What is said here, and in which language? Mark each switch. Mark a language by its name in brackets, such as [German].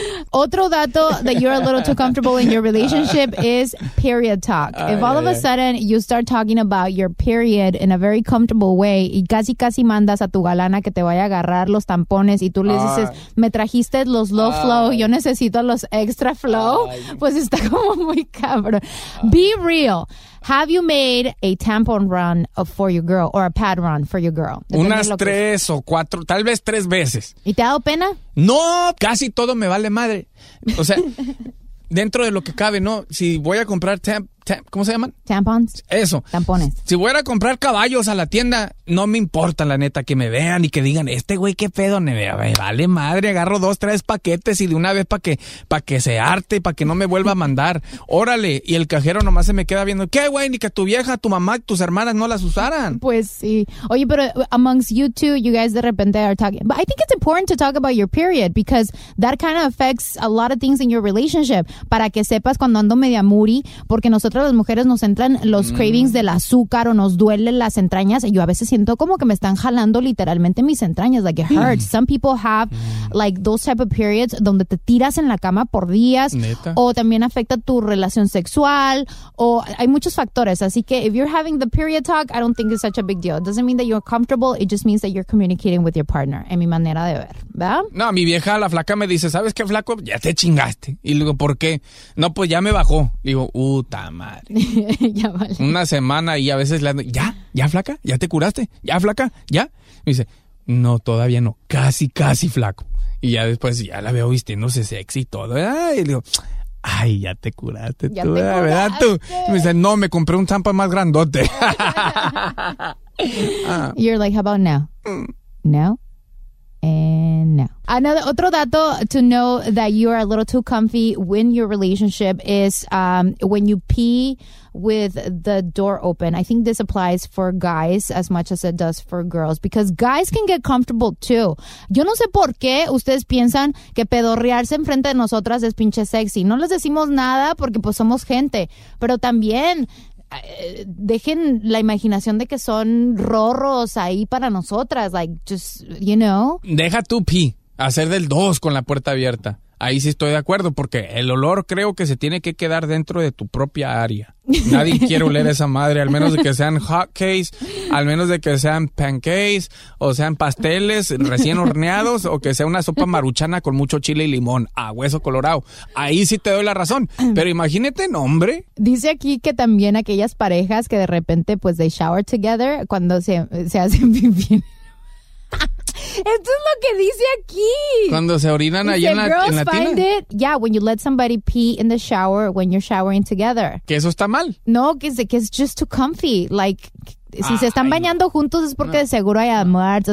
[Spanish] Otro dato [English] that you're a little too comfortable in your relationship is period talk. If all of a sudden you start talking about your period in a very comfortable way, [Spanish] y casi casi mandas a tu galana que te vaya a agarrar los tampones y tú le dices, me trajiste los low flow, yo necesito los extra flow, pues está como muy cabrón. [English] Be real. Have you made a tampon run for your girl or a pad run for your girl? [Spanish] Unas tres o cuatro, tal vez tres veces. ¿Y te ha dado pena? No, casi todo me vale madre. O sea, dentro de lo que cabe, ¿no? Si voy a comprar ¿cómo se llaman? [English] Tampons. [Spanish] Eso. Tampones. Si voy a comprar caballos a la tienda, no me importa, la neta, que me vean y que digan, este güey, qué pedo, me vale madre, agarro dos, tres paquetes y de una vez para que se arte, para que no me vuelva a mandar. Órale. Y el cajero nomás se me queda viendo, ¿qué, güey? Ni que tu vieja, tu mamá, tus hermanas no las usaran. Pues sí. Oye, pero [English] amongst you two, you guys [Spanish] de repente [English] are talking. But I think it's important to talk about your period because that kind of affects a lot of things in your relationship. [Spanish] Para que sepas cuando ando media moody, porque nosotras las mujeres nos entran los cravings del azúcar o nos duelen las entrañas. Yo a veces siento como que me están jalando literalmente mis entrañas. [English] Like, it hurts. Some people have like those type of periods [Spanish] donde te tiras en la cama por días. ¿Neta? O también afecta tu relación sexual. O hay muchos factores. Así que [English] if you're having the period talk, I don't think it's such a big deal. It doesn't mean that you're comfortable. It just means that you're communicating with your partner, [Spanish] en mi manera de ver. ¿Verdad? No, mi vieja, la flaca, me dice, ¿sabes qué, flaco? Ya te chingaste. Y luego, ¿por qué? No, pues ya me bajó. Digo, puta madre. Ya vale. Una semana y a veces le ando, ¿ya? ¿Ya, flaca? ¿Ya te curaste? ¿Ya, flaca? ¿Ya? Me dice, no, todavía no. Casi, casi, flaco. Y ya después ya la veo vistiéndose sexy y todo. Y le digo, ay, ya te curaste. Ya tú, te curaste. ¿Verdad tú? Y me dice, no, me compré un tampa más grandote. [English] You're like, how about now? Now? And no. Another [Spanish] otro dato [English] to know that you are a little too comfy in your relationship is when you pee with the door open. I think this applies for guys as much as it does for girls because guys can get comfortable too. [Spanish] Yo no sé por qué ustedes piensan que pedorrearse enfrente de nosotras es pinche sexy. No les decimos nada porque pues somos gente, pero también dejen la imaginación de que son rorros ahí para nosotras, [English] like, just, you know. [Spanish] Deja tu pee, hacer del dos con la puerta abierta. Ahí sí estoy de acuerdo, porque el olor creo que se tiene que quedar dentro de tu propia área. Nadie quiere oler esa madre, al menos de que sean hotcakes, al menos de que sean pancakes, o sean pasteles recién horneados, o que sea una sopa maruchana con mucho chile y limón, a hueso colorado. Ahí sí te doy la razón, pero imagínate, hombre. Dice aquí que también aquellas parejas que de repente, pues, [English] they shower together [Spanish] cuando se hacen pipí. Esto es lo que dice aquí. Cuando se orinan ahí en la tina. [English] Find it. Yeah, when you let somebody pee in the shower when you're showering together. [Spanish] Que eso está mal. No, que [English] it's just too comfy. [Spanish] Like, si se están bañando juntos es porque de seguro hay almuerzo.